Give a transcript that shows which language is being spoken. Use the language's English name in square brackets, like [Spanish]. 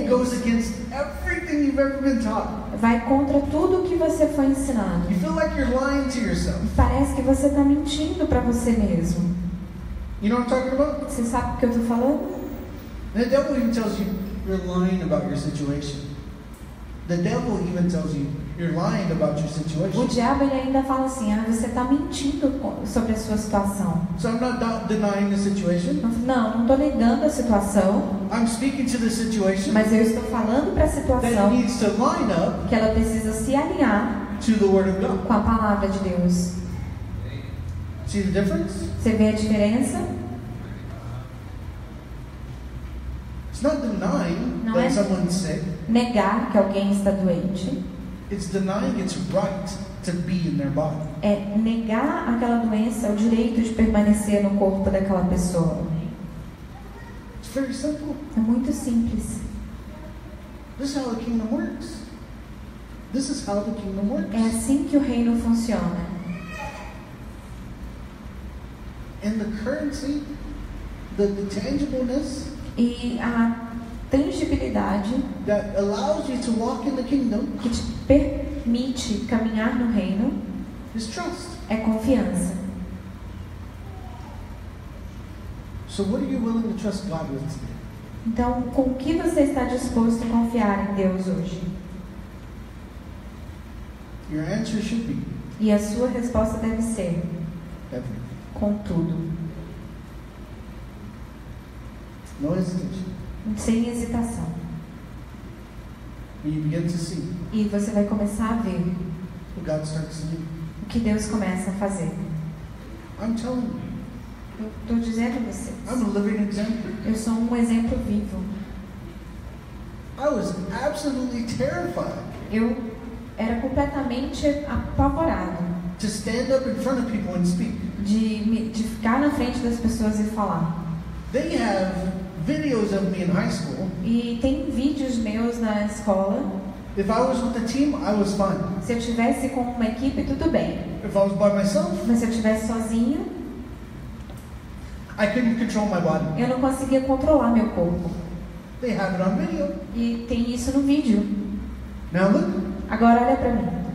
[English] it goes against everything you've ever been taught. [Portuguese] Vai contra tudo o que você foi ensinado. [English] You feel like you're lying to yourself. [Portuguese] Parece que você está mentindo para você mesmo. [English] You know what I'm talking about? [Portuguese] Você sabe o que eu estou falando? [English] The devil even tells you you're lying about your situation. The devil even tells you you're lying about your situation. [Portuguese] O diabo ele ainda fala assim, ah, você está mentindo sobre a sua situação. [English] So I'm not denying the situation. [Portuguese] Não, não estou negando a situação. [English] I'm speaking to the situation. [Portuguese] Mas eu estou falando para a situação. [English] That it needs to line up. [Portuguese] Que ela precisa se alinhar. [English] To the word of God. [Portuguese] Com a palavra de Deus. [English] See the difference? [Portuguese] Você vê a diferença? [English] It's not denying [Portuguese] não [English] that [Portuguese] é [English] someone's sick. [Portuguese] Negar que alguém está doente. [English] It's denying its right to be in their body. [Portuguese] É negar aquela doença o direito de permanecer no corpo daquela pessoa. [English] It's very simple. [Portuguese] É muito simples. [English] This is how the kingdom works. This is how the kingdom works. [Portuguese] É assim que o reino funciona. [English] And the currency, the tangibleness. [Portuguese] E a tangibilidade [English] that allows you to walk in the kingdom, [Portuguese] que te permite caminhar no reino [English] is trust. [Portuguese] É confiança. [English] So what are you willing to trust God with today? [Portuguese] Então, com o que você está disposto a confiar em Deus hoje? [English] Your answer should be, [Portuguese] e a sua resposta deve ser [English] everything. [Portuguese] Com tudo. [English] No hesitation. [Portuguese] Sem hesitação. [English] And you begin to see. [Portuguese] E você vai começar a ver. [English] What God starts to do. [Portuguese] O que Deus começa a fazer. [English] I'm telling you. [Portuguese] Eu estou dizendo a vocês. [English] I'm a living example. [Portuguese] Eu sou um exemplo vivo. [English] I was absolutely terrified. [Portuguese] Eu era completamente apavorado. [English] To stand up in front of people and speak. [Portuguese] De ficar na frente das pessoas e falar. [English] They have videos of me in high school. [Portuguese] E tem vídeos meus na escola. [English] If I was with the team, I was fine. [Portuguese] Se eu estivesse com uma equipe, tudo bem. [English] If I was by myself, [Portuguese] mas se eu estivesse sozinho, [English] I couldn't control my body. [Portuguese] Eu não conseguia controlar meu corpo. [English] They have it on video. [Portuguese] E tem isso no vídeo. [English] Now look. [Portuguese] Agora olha para mim.